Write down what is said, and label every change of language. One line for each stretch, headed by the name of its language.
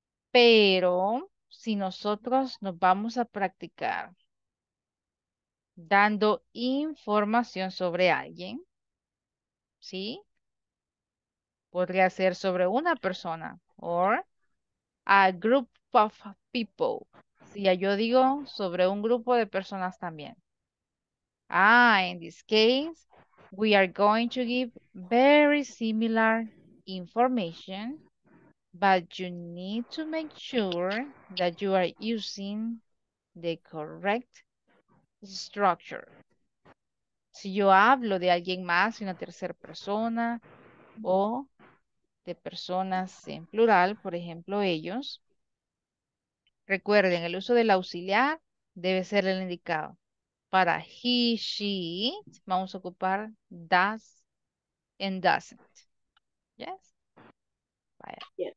Spanish: Pero si nosotros nos vamos a practicar dando información sobre alguien, ¿sí? Podría ser sobre una persona
English: or a group of people.
Spanish: Si ya yo digo sobre un grupo de personas también.
English: Ah, in this case, we are going to give very similar information, but you need to make sure that you are using the correct structure.
Spanish: Si yo hablo de alguien más, una tercera persona, o de personas en plural, por ejemplo, ellos, recuerden, el uso del auxiliar debe ser el indicado. Para he, she, it, vamos a ocupar does and doesn't. Yes? Vaya. Yes.